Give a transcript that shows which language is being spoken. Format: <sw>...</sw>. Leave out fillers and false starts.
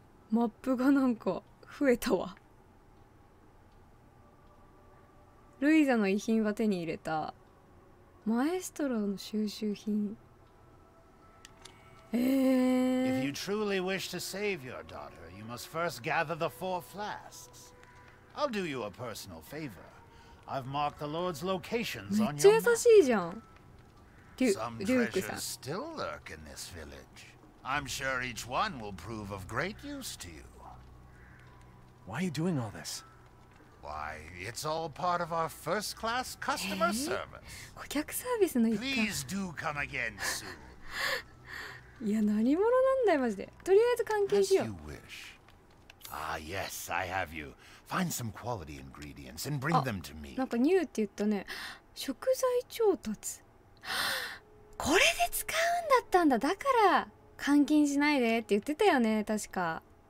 <ja>マップがなんか増えたわ。ルイザの遺品は手に入れた。マエストロの収集品。</ja> <en>If you truly wish to save your daughter, you must first gather the four flasks. I'll do you a personal favor. I've marked the Lord's locations on your map.</en> <ja>めっちゃ優しいじゃん。デュークさん。</ja> <en>Some treasures still lurk in this village. I'm sure each one will prove of great use to you. Why are you doing all this? Why, it's all part of our first class customer service.</en> <ja>顧客サービスの一環。</ja> <en>Please do come again soon.</en> <ja>いや、何者なんだよ、マジで。とりあえず換金しよう。</ja> <en>As you wish. Ah, yes, I have you. Find some quality ingredients and bring them to me.</en> <ja>なんかニューって言ったね。食材調達。これで使うんだったんだ。だから換金しないでって言ってたよね、確か。</ja>